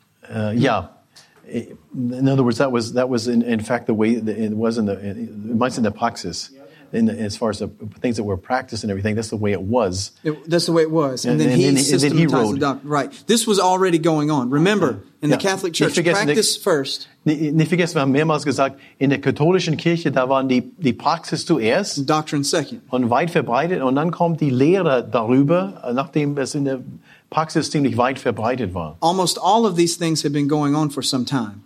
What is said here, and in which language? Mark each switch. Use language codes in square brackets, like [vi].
[en] In other words, that was in fact the way that it was in the praxis. As far as the things that were practiced and everything, that's the way it was. And then he wrote. This was already going on. Remember, the Catholic Church, practice first. [de] Nicht vergessen, wir haben mehrmals gesagt, in der katholischen Kirche, da waren die Praxis zuerst. [en] Doctrine second. [de] Und weit verbreitet. Und dann kommt die Lehre darüber, nachdem es in der Praxis ziemlich weit verbreitet war. [en] Almost all of these things have been going on for some time.